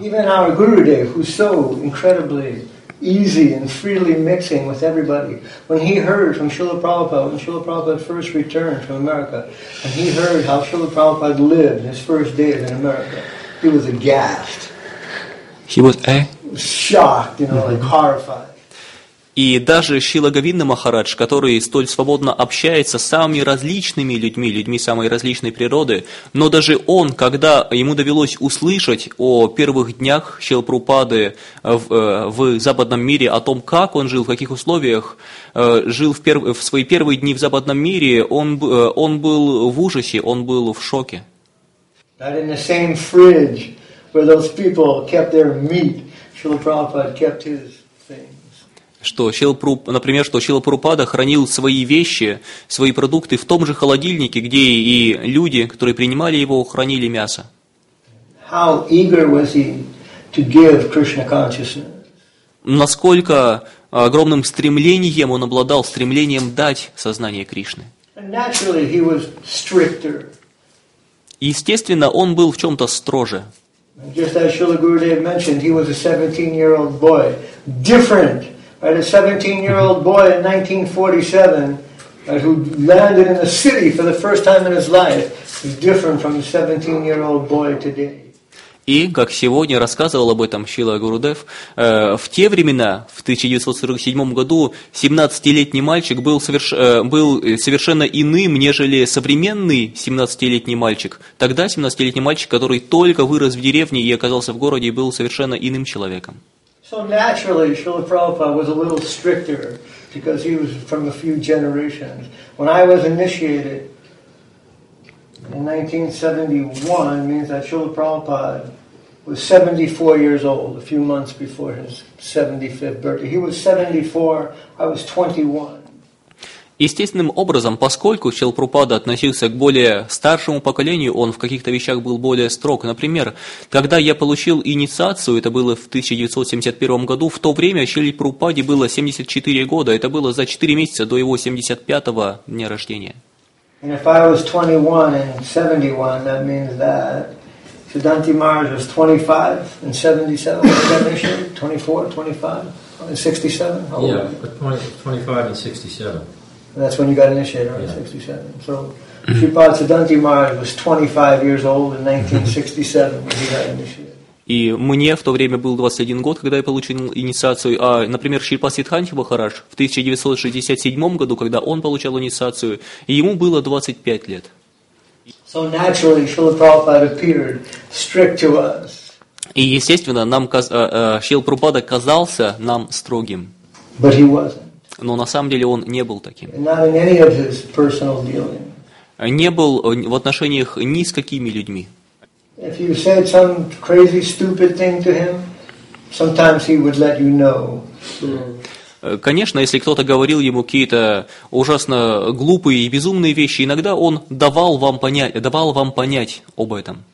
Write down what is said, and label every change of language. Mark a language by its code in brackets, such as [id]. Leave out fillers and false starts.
[en] Even our Gurudev, who's so incredibly easy and freely mixing with everybody. When he heard from Srila Prabhupada, when Srila Prabhupada first returned from America, and he heard how Srila Prabhupada lived his first days in America, he was aghast. He was shocked, you know, like horrified. [ru] И даже Шрила Говинда Махарадж, который столь свободно общается с самыми различными людьми, людьми самой различной природы, но даже он, когда ему довелось услышать о первых днях Шрилы Прабхупады в западном мире, о том, как он жил, в каких условиях жил в свои первые дни в западном мире, он был в ужасе, он был в шоке. [en] That in the same fridge where those people kept their meat, Шрила Прабхупада kept his. [ru] Например, что Шрила Прабхупада хранил свои вещи, свои продукты в том же холодильнике, где и люди, которые принимали его, хранили мясо. [en] How eager was he to give Krishna consciousness? [ru] Насколько огромным стремлением он обладал, стремлением дать сознание Кришны. [en] And naturally he was stricter. [ru] Естественно, он был в чем-то строже. [en] Just as Srila Gurudev mentioned, he was a 17-year-old boy. Different. Right, a 17-year-old boy in 1947, who landed in the city for the first time in his life, is different from a 17-year-old boy today. [ru] И, как сегодня рассказывал об этом Шрила Гурудев, в те времена, в 1947 году, 17-летний мальчик был совершенно иным, нежели современный 17-летний мальчик. Тогда 17-летний мальчик, который только вырос в деревне и оказался в городе, был совершенно иным человеком. [en] So naturally, Srila Prabhupada was a little stricter because he was from a few generations. When I was initiated in 1971, means that Srila Prabhupada was 74 years old, a few months before his 75th birthday. He was 74, I was 21. [ru] Естественным образом, поскольку Шрила Прабхупада относился к более старшему поколению, он в каких-то вещах был более строг. Например, когда я получил инициацию, это было в 1971 году, в то время Шриле Прабхупаде было 74 года, это было за 4 месяца до его 75-го дня рождения. [en] And if I was 21 and 71, that means that Siddhanti Maharaj was 25 and 77, 24, 25, and 67? Oh, yeah, 25 and 67. And that's when you got initiated, right? Yeah. 67. So Shripad Siddhanti Maharaj was 25 years old in 1967 when he got initiated. [ru] И мне в то время был 21 год, когда я получил инициацию. А, например, Шрила Сиддханти Махарадж в 1967 году, когда он получал инициацию, ему было 25 лет. [en] So naturally, Srila Prabhupada appeared strict to us. [ru] И естественно, нам Шрила Прабхупада казался нам строгим. [en] But he wasn't. [ru] Но на самом деле он не был таким. [en] Not in any of his personal dealings. [ru] Не был в отношениях ни с какими людьми. [en] If you said some crazy, stupid thing to him, sometimes he would let you know. [ru] Конечно, если кто-то говорил ему какие-то ужасно глупые и безумные вещи, иногда он давал вам понять об этом.